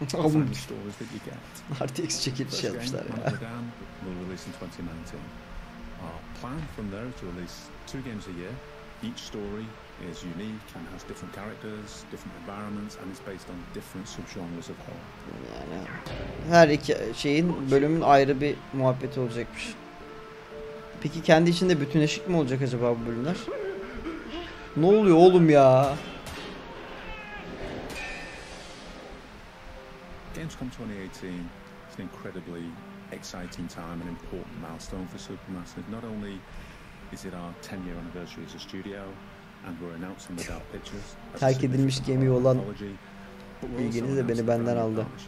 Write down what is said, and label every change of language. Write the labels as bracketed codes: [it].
[en] are the stories that you get. RTX [tr] çekilmiş yapmışlar ya. [en] Will release in 2019. Our plan from there is to release two games a year. Each story is unique and has different characters, different environments, and it's based on different subgenres of horror. [tr] Yani her iki şeyin bölümün ayrı bir muhabbeti olacakmış. Peki kendi içinde bütünleşik mi olacak acaba bu bölümler? Ne oluyor oğlum ya? [en] Gamescom 2018 is an incredibly exciting time, an important milestone for Supermassive. Not only is it our 10-year anniversary as a studio, and we're announcing the Dark Pictures. [tr] Terk edilmiş gemi olan bilgini de beni benden aldı.